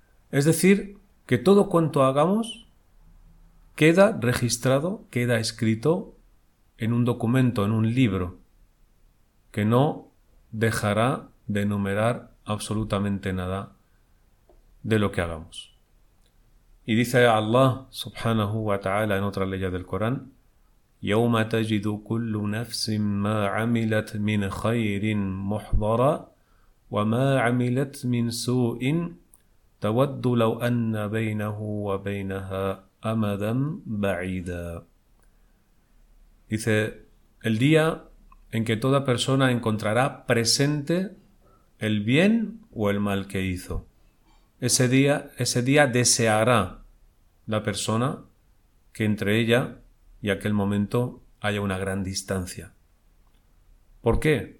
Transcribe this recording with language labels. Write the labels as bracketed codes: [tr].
[es] Es decir, que todo cuanto hagamos queda registrado, queda escrito en un documento, en un libro, que no dejará de enumerar absolutamente nada de lo que hagamos. Y dice Allah subhanahu wa ta'ala en otra ley del Corán: [ar] يَوْمَ تَجِدُ كُلُّ نَفْسٍ مَا عَمِلَتْ مِنْ خَيْرٍ مُحْضَرًا وَمَا عَمِلَتْ مِنْ سُوءٍ تَوَدُّ لَوْ أَنَّ بَيْنَهُ وَبَيْنَهَا Amadam Ba'ida. [es] Dice: el día en que toda persona encontrará presente el bien o el mal que hizo. Ese día deseará la persona que entre ella y aquel momento haya una gran distancia. ¿Por qué?